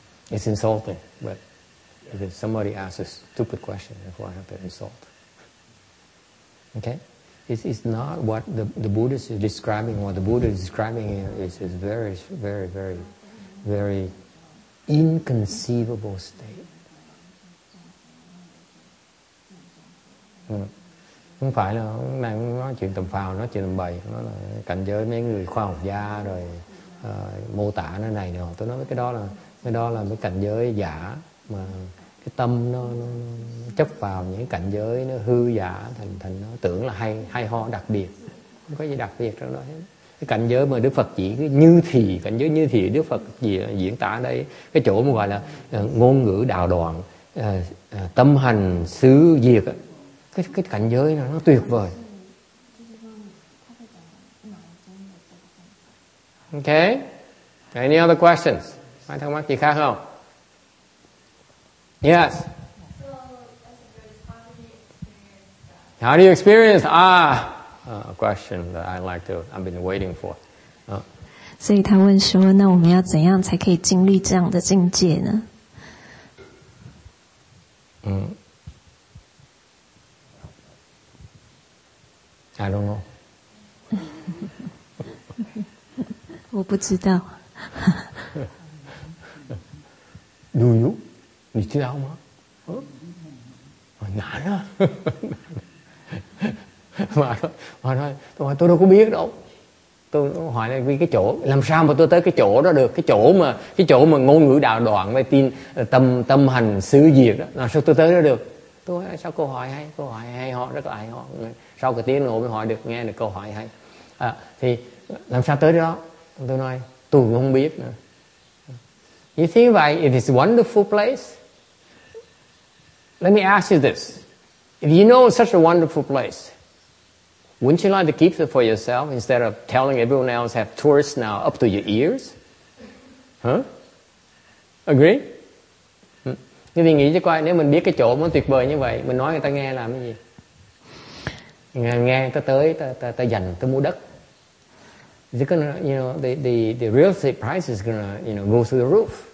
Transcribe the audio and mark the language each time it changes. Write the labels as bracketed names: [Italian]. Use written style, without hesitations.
[English] It's insulting, but if somebody asks a stupid question, therefore I have to insult. Okay? It's not what the Buddhist is describing. What the Buddha is describing here is very, very, very, very inconceivable state. [Vietnamese] Không phải là ông đang nói chuyện tầm phào, nói chuyện tầm bậy, nó là cảnh giới mấy người khoa học gia rồi mô tả nó này nọ. Tôi nói cái đó là mấy cảnh giới giả mà cái tâm nó chấp vào những cảnh giới nó hư giả thành nó tưởng là hay ho đặc biệt, không có gì đặc biệt trong đó hết. Cái cảnh giới mà Đức Phật chỉ cái như thì, cảnh giới như thì Đức Phật chỉ diễn tả đây, cái chỗ mà gọi là ngôn ngữ đạo đoạn, tâm hành xứ diệt, cái cảnh giới này nó tuyệt vời. [English] Okay, any other questions? [Vietnamese] Ai thắc mắc gì khác không? [English] Yes. How do you experience? Ah, a question that I like to, I've been waiting for. [Chinese] 所以他问说，那我们要怎样才可以经历这样的境界呢？嗯。 [English] I don't know. [Chinese] 我不知道。 [English] Do you? [Chinese] 你知道吗？啊？难啊！我说， [Vietnamese] tôi đâu có biết đâu. Tôi hỏi là vì cái chỗ, làm sao mà tôi tới cái chỗ đó được? Cái chỗ mà ngôn ngữ đạo đoạn với tin tâm hành xứ diệt đó, làm sao tôi tới đó được? Tôi nói, sao câu hỏi hay họ rất là hay họ. Sau cái tiếng ngủ mới hỏi được, nghe được câu hỏi hay. À, thì làm sao tới đó? Tôi nói, tôi cũng không biết nữa. [English] You think that it is a wonderful place? Let me ask you this. If you know such a wonderful place, wouldn't you like to keep it for yourself instead of telling everyone else have tourists now up to your ears? Huh? Agree? [Vietnamese] Nhưng mình nghĩ cho coi, nếu mình biết cái chỗ nó tuyệt vời như vậy, mình nói người ta nghe làm cái gì? Nghe ta tới, ta dành, ta mua đất. [English] It's gonna, you know, the real estate price is gonna, you know, go through the roof.